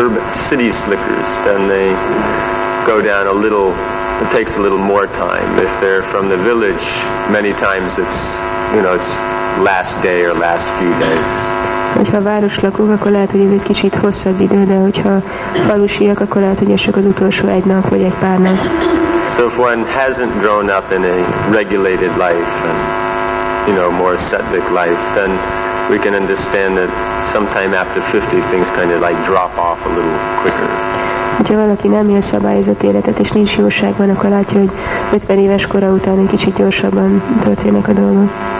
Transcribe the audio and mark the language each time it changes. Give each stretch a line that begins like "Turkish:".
English: City slickers, then they go down a little, it takes a little more time. If they're from the village, many times it's last day or last few days.
Hungarian: Hogyha városlakók, akkor lehet, hogy ez egy kicsit hosszabb idő, de hogyha falusiak, akkor lehet, hogy ez csak az utolsó egy nap, vagy egy pár nap.
English: So if one hasn't grown up in a regulated life and, more ascetic life, then we can understand that sometime after 50 things drop off a little quicker.
Hungarian: Hogyha valaki nem él szabályozott életet és nincs jóságban, akkor látja, hogy 50 éves kora után egy kicsit gyorsabban történnek a dolgok.